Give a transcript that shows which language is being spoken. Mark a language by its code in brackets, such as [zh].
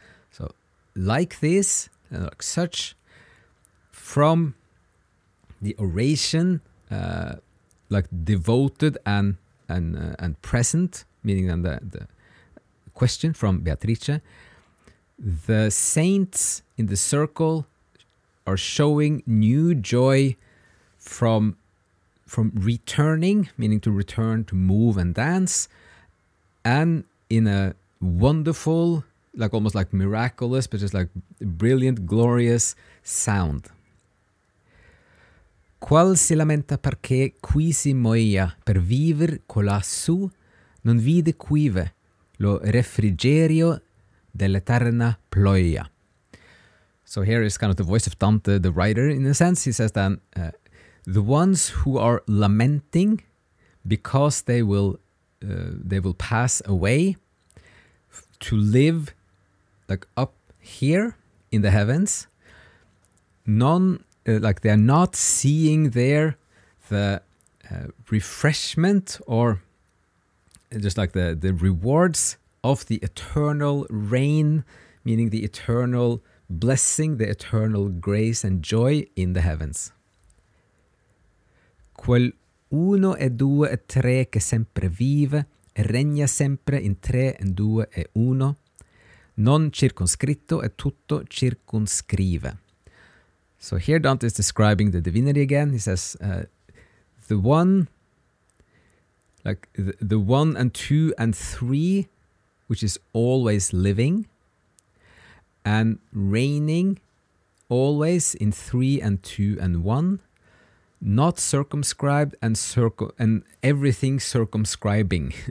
[en] So, like this, like such, from the oration, like devoted and present, meaning then the question from Beatrice, the saints in the circle are showing new joy from returning, meaning to return to move and dance, and in a wonderful like almost like miraculous, but just like brilliant, glorious sound. [it] Qual si lamenta perché qui si moia per vivere colassù non vide quive lo refrigerio dell'eterna ploia. [en] So here is kind of the voice of Dante, the writer, in a sense. He says that the ones who are lamenting because they will pass away to live like up here in the heavens, like they are not seeing there the refreshment or just like the rewards of the eternal reign, meaning the eternal blessing, the eternal grace and joy in the heavens. [it] Quel uno e due e tre che sempre vive e regna sempre in tre e due e uno, non circonscritto e tutto circunscrive. [en] So here Dante is describing the divinity again. He says, the one and two and three, which is always living and reigning always in three and two and one, not circumscribed and everything circumscribing.